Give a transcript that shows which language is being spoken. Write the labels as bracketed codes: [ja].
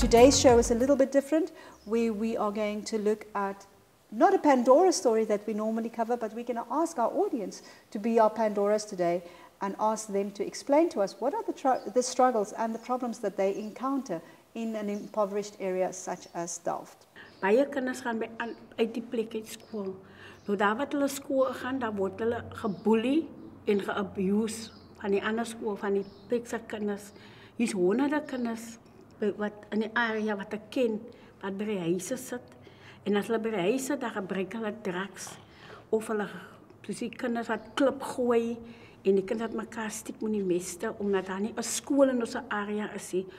[en] Show is a little bit different. We are going to look at not a Pandora story that we normally cover, but we're going to ask our audience to be our Pandoras today and ask them to explain to us what are the struggles and the problems that they encounter in an impoverished area such as Delft. [af] Baie kinders gaan by uit die plek uit skool. Nou daar wat hulle skool gaan, daar word hulle geboelie en geabuse van die ander skool van die plekse kinders. Hier's honderde kinders wat in die area wat ek ken, wat by die huise sit. En as hulle by die huise, dan gebruik hulle drugs. Of hulle, soos die kinders wat klip gooi, en die kinders wat mekaar stiek met die meste, omdat daar nie 'n skool in ons area is.